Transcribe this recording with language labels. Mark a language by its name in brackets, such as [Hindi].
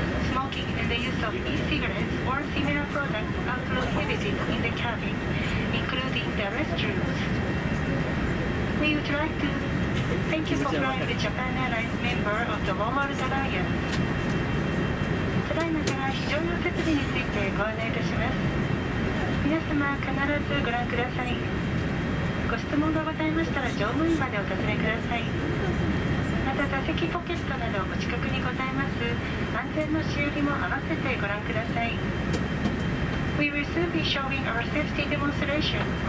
[English] Smoking and the use of e-cigarettes or similar products are prohibited in the cabin, including the restrooms. We would like toThank you for flying with Japan Airlines member of the Walmart Alliance. [Japanese] ただいまから非常用設備についてご案内いたします。皆様必ずご覧ください。ご質問がございましたら乗務員までお尋ねください。また座席ポケットなどお近くにございます安全の修理も合わせてご覧ください。 [English] We will soon be showing our safety demonstration.